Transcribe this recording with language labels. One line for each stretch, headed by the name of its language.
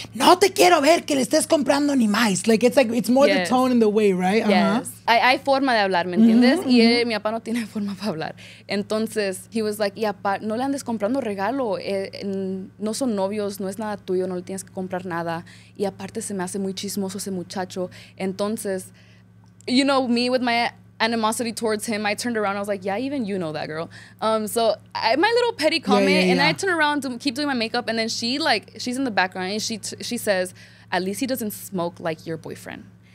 Spanish: No te quiero ver que le estés comprando ni más.
English: Like, it's more the tone and the way, right?
Spanish: Yes. Uh-huh. Hay forma de hablar, ¿me entiendes? Mm-hmm. Y mi papá no tiene forma para hablar. Entonces,
English: he was like,
Spanish: y apa, no le andes comprando regalo. No son novios, no es nada tuyo, no le tienes que comprar nada. Y aparte, se me hace muy chismoso ese muchacho.
English: Entonces, you know, me with my animosity towards him, I turned around. I was like, yeah, even you know that, girl. My little petty comment, I turn around to keep doing my makeup, and then she, like, she's in the background, and she says, at least he doesn't smoke like your boyfriend.